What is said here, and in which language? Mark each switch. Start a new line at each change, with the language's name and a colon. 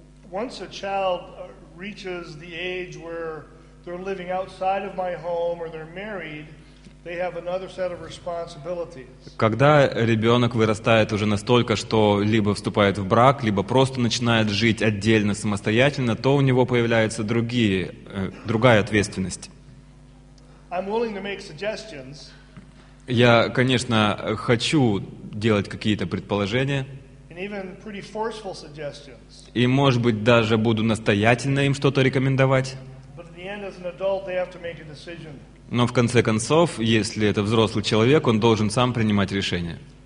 English: Once a child reaches the age where they're living outside of my home or they're married, they have another set of responsibilities.
Russian: Когда ребенок вырастает уже настолько, что либо вступает в брак, либо просто начинает жить отдельно, самостоятельно, то у него появляются другая ответственность.
English: I'm willing to make suggestions.
Russian: Я, конечно, хочу делать какие-то предположения.
English: And even pretty forceful suggestions.
Russian: И, может быть, даже буду настоятельно им что-то рекомендовать.
English: But at the end, as an adult, they have to make a decision.
Russian: Но в конце концов, если это взрослый человек, он должен сам принимать решение.